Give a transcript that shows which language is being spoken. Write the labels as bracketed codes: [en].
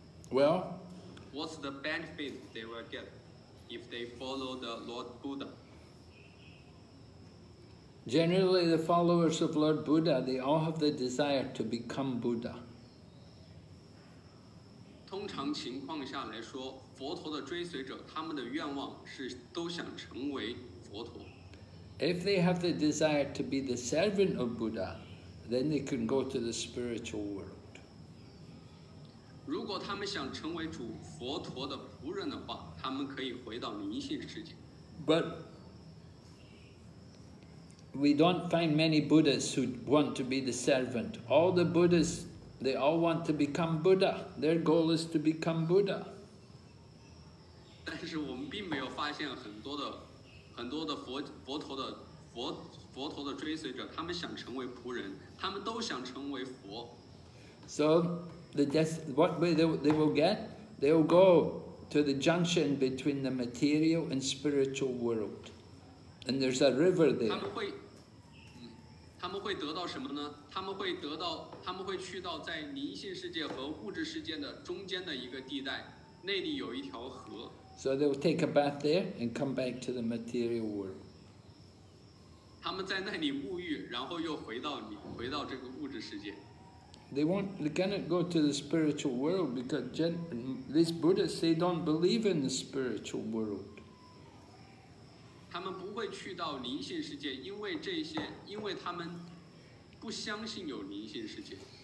[en] Well, what's the benefit they will get if they follow the Lord Buddha? Generally, the followers of Lord Buddha, they all have the desire to become Buddha. [zh] 通常情况下来说，佛陀的追随者，他们的愿望是都想成为佛陀。 [en] If they have the desire to be the servant of Buddha, then they can go to the spiritual world. [zh] 如果他们想成为主佛陀的仆人的话，他们可以回到灵性世界。 [en] But we don't find many Buddhas who want to be the servant. All the Buddhas, they all want to become Buddha. Their goal is to become Buddha. [zh] 但是我们并没有发现很多的佛陀的追随者，他们想成为仆人，他们都想成为佛。 [en] So, what will they get? They will go to the junction between the material and spiritual world, and there's a river there. [zh] 他们会得到什么呢？他们会去到在灵性世界和物质世界的中间的一个地带，那里有一条河。 [en] So they will take a bath there and come back to the material world. [zh] 他们在那里沐浴，然后又回到这个物质世界。 [en] They cannot go to the spiritual world because these Buddhists, they don't believe in the spiritual world. [zh] 他们不会去到灵性世界，因为他们不相信有灵性世界。